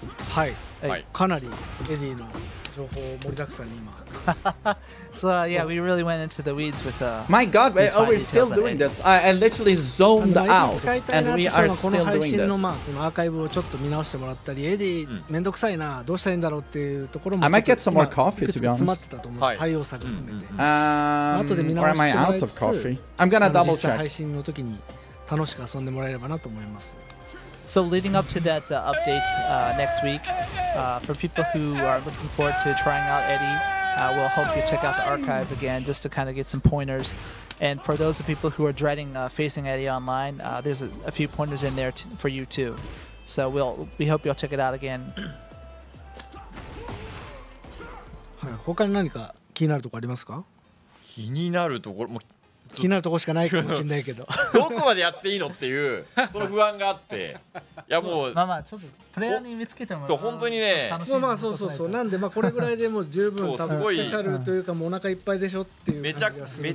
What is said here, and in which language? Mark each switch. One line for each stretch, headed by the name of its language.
Japanese: はい、はい、かなりエディの情報盛りだくさんに今
English: So yeah, we really went into the weeds with My god, we're always still doing this. I literally zoned out and we are still doing this.
Japanese: このアーカイブをちょっと見直してもらったり、エディ、めんどくさいな、どうしたらいいんだろうっていうところも
English: I might get some more coffee to be honest.
Japanese: 詰まってたと思う、対応策含めて。
English: Or am I out of coffee? I'm gonna double check.
Japanese: 実際配信の時に楽しく遊んでもらえればなと思います。
English: So leading up to that update next week, for people who are looking forward to trying out Eddy, we'll hope you check out the archive again just to kind of get some pointers. And for those of people who are dreading facing Eddy online, there's a few pointers in there for you too. So we hope you'll check it out again.
Japanese: はい、他に何か気になるところありますか？気になるところも気になるところしかないかもしれないけど、どこまでやっていいのっていうその不安があって、いやもうまあまあちょっとプレイヤーに見つけてもそう本当にね、まあまあそうそうそう、なんでまあこれぐらいでも十分多分スペシャルというかもうお腹いっぱいでしょっていう感じがするんです